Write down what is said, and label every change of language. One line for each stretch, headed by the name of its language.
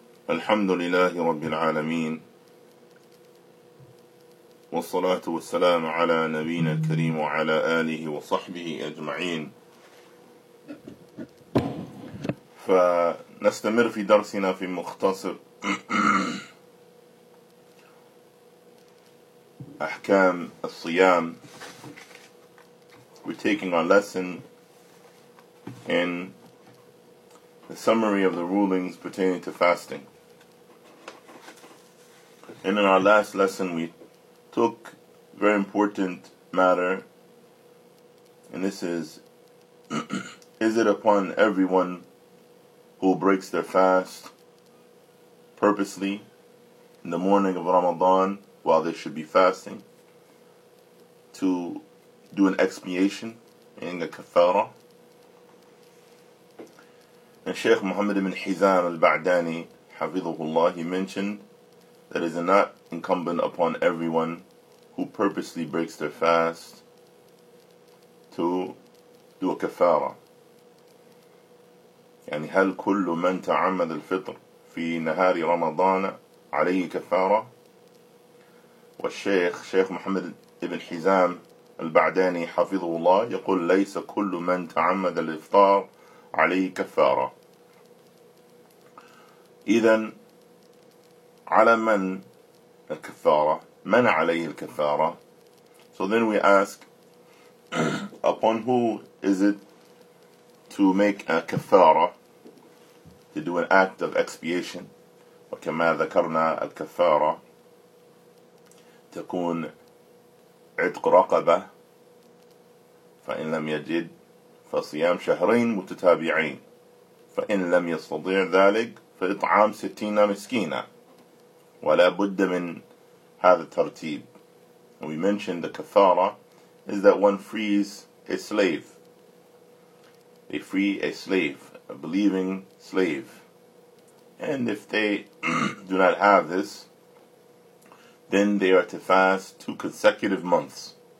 Arabic: الحمد لله رب العالمين، والصلاة والسلام على نبينا الكريم وعلى آله وصحبه أجمعين. فنستمر في درسنا في مختصر أحكام الصيام.
English: We're taking our lesson in the summary of the rulings pertaining to fasting. And in our last lesson, we took a very important matter, and this is, is it upon everyone who breaks their fast purposely in the morning of Ramadan while they should be fasting to do an expiation in the kafara? And Shaykh Muhammad ibn Hizam al-Ba'dani, hafidhahullah, he mentioned that it is not incumbent upon everyone who purposely breaks their fast to do a kafara.
Arabic: يعني هل كل من تعمد الفطر في نهار رمضان عليه كفارة؟ والشيخ شيخ محمد ابن حزام البعداني حفظه الله يقول ليس كل من تعمد الإفطار عليه كفارة. إذن على من الكفارة؟ من عليه الكفارة؟
English: So then we ask, upon who is it to make a kafara, to do an act of expiation?
Arabic: وكما ذكرنا الكفارة تكون عتق رقبة، فإن لم يجد فصيام شهرين متتابعين، فإن لم يستطيع ذلك فإطعام 60 مسكينة، ولا بد من هذا الترتيب.
English: And we mentioned the kafara is that one frees a slave. They free a slave, a believing slave. And if they do not have this, then they are to fast 2 consecutive months.